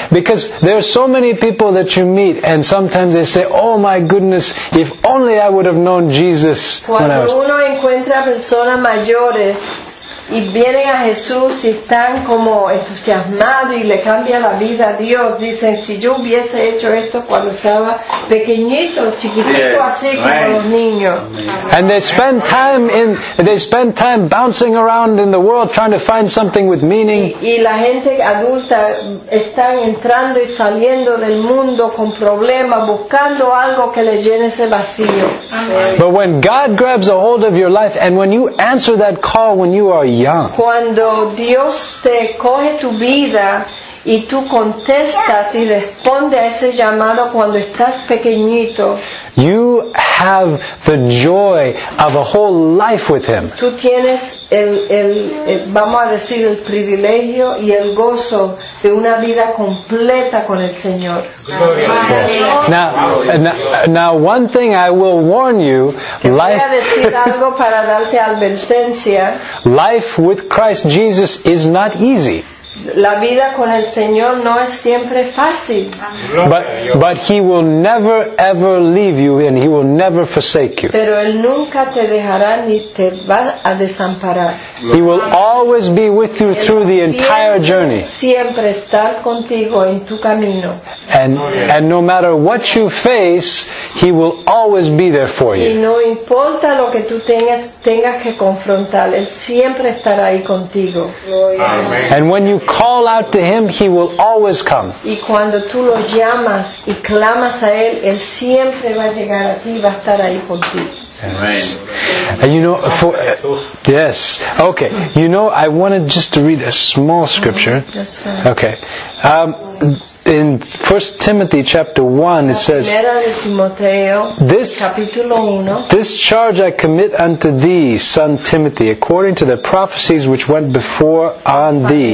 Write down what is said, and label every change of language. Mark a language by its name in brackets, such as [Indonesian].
[English] Because there are so many people that you meet, and sometimes they say, "Oh my goodness, if only I would have known Jesus." [Spanish] Cuando uno encuentra personas mayores y vienen a Jesús y están como entusiasmados y le cambia la vida a Dios, dicen, si yo hubiese hecho esto cuando estaba pequeñito, chiquitito, así como los niños. [English] And they spend time bouncing around in the world trying to find something with meaning. [Spanish] Y la gente adulta están entrando y saliendo del mundo con problemas, buscando algo que le llene ese vacío. [English] But when God grabs a hold of your life, and when you answer that call when you are young. [Spanish] Cuando Dios te coge tu vida y tú contestas y responde a ese llamado cuando estás pequeñito, [English] you have the joy of a whole life with Him. [Spanish] Tú tienes el vamos a decir, el privilegio y el gozo de una vida completa con el Señor. [English] Yes. Now, one thing I will warn you, life, [Spanish] voy a decir algo para darte advertencia. [English] Life with Christ Jesus is not easy. [Spanish] La vida con el Señor no es siempre fácil. [English] But He will never ever leave you, and He will never forsake you. [Spanish] Pero Él nunca te dejará ni te va a desamparar. [English] He will always be with you through the entire journey. [Spanish] Siempre estar contigo en tu camino. [English] And no matter what you face, He will always be there for you. [Spanish] Y no importa lo que tú tengas que confrontar, Él siempre estará ahí contigo. [English] And when you call out to Him, He will always come. [Spanish] Y cuando tú lo llamas y clamas a Él, Él siempre va a llegar a ti y va a estar ahí contigo. [English] Amen. You know, yes. Okay. You know, I wanted just to read a small scripture. Okay. In 1 Timothy chapter 1, it says, this charge I commit unto thee, son Timothy, according to the prophecies which went before on thee.